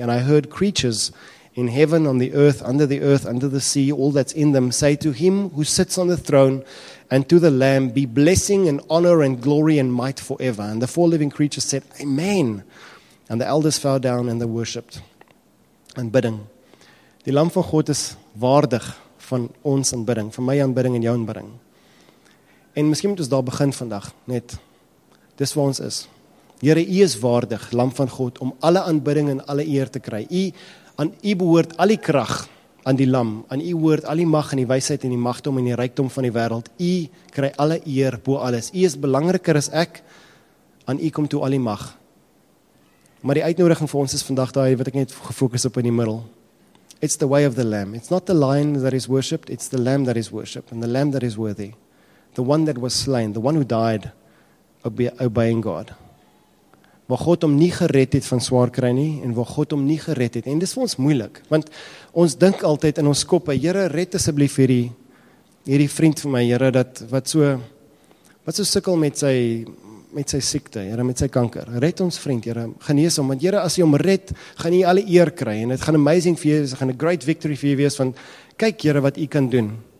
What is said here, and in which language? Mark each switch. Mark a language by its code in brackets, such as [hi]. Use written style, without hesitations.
[en] And I heard creatures in heaven, on the earth, under the sea, all that's in them, say to him who sits on the throne and to the Lamb, be blessing and honor and glory and might forever. And the 4 living creatures said, Amen. And the elders fell down and they worshipped. And bidding. [af] Die Lam van God is waardig van ons aanbidding, van my aanbidding en jou aanbidding. En miskien moet ons daar begin vandag, net, dis waar ons is. Here, U is waardig, Lam van God, om alle aanbidding en alle eer te kry. U behoort al die krag aan die Lam, aan U behoort al die mag en die wysheid en die magdom en die rykdom van die wêreld. U kry alle eer bo alles. U is belangriker as ek, aan U kom toe al die mag. Maar die uitnodiging vir ons is vandag daai wat ek net gefokus op in die middel. [en] It's the way of the Lamb. It's not the lion that is worshipped. It's the Lamb that is worshipped. And the Lamb that is worthy. The one that was slain. The one who died obeying God. [af] Waar God hom nie gered het van swaar kry nie, en waar God hom nie gered het. En dis vir ons moeilik, want ons dink altyd in ons koppe, Here, red asseblief hierdie vriend van my, Here, wat so sukkel met sy siekte, Here, met sy kanker. Red ons vriend, Here, genees hom, want Here, as jy hom red, gaan jy alle eer kry, en dit gaan amazing vir jy, dit gaan 'n [en] great victory [af] vir jy wees, want kyk, Here, wat jy kan doen.